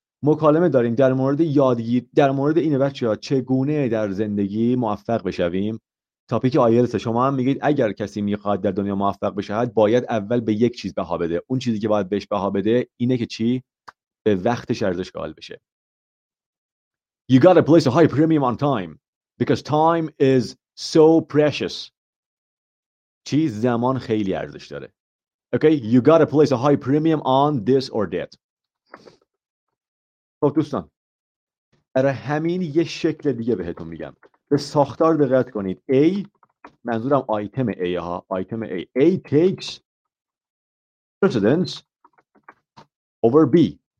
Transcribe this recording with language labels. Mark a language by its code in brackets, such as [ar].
[fa] مکالمه داریم در مورد یادگیری، در مورد اینه بچه ها چگونه در زندگی موفق بشویم. تاپیک آیلتس. شما هم میگید اگر کسی میخواد در دنیا موفق بشه باید اول به یک چیز بها بده. اون چیزی که باید بهش بها بده اینه که چی؟ به وقتش ارزش قائل بشه. [en] You gotta place a high premium on time because time is so precious. [fa] چی؟ زمان خیلی ارزش داره. [en] Okay, you gotta place a high premium on this or that. [fa] خب دوستان، برای همین یه شکل دیگه بهتون میگم. به ساختار دقت کنید. A، منظورم آیتم A ها، آیتم A. [en] A takes precedence over B.